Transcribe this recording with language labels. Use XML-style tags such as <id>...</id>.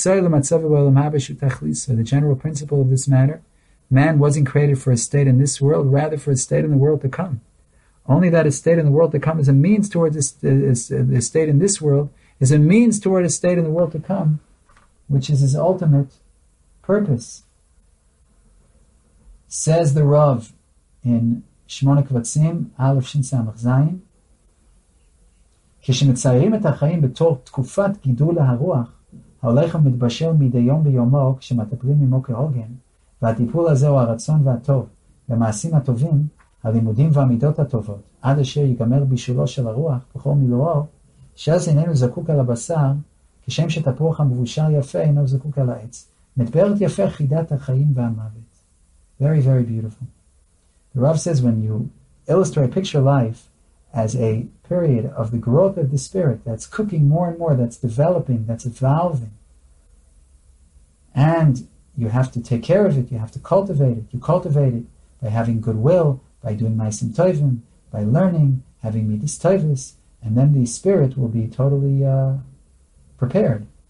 <en>The general principle of this matter, man wasn't created for a state in this world, rather for a state in the world to come. Only that a state in the world to come is a means towards a state in this world, is a means toward a state in the world to come, which is his ultimate purpose. Says the Rav in Shmona Kvatzim, Aleph Shin Samach Zayin,</en> <he>כשמציירים את החיים בתור תקופת גידול הרוח, ההולך ומתבשל מדי יום ביומו כשמטפלים ממו כהוגן, והטיפול הזה הוא הרצון והטוב, במעשים הטובים, הלימודים והמידות הטובות, עד אשר ייגמר בישולו של הרוח בכל מילואו, שאז איננו זקוק על הבשר, כשם שתפוח המבושר יפה אינו זקוק על העץ. מתפארת יפה חידת החיים והמוות.</he> <en>Very, very beautiful. The Rav says, when you illustrate picture life as a period of the growth of the spirit that's cooking more and more, that's developing, that's evolving. And you have to take care of it, you have to cultivate it. You cultivate it by having goodwill, by doing ma'asim tovim, by learning, having midas tovus, and then the spirit will be totally prepared.</en>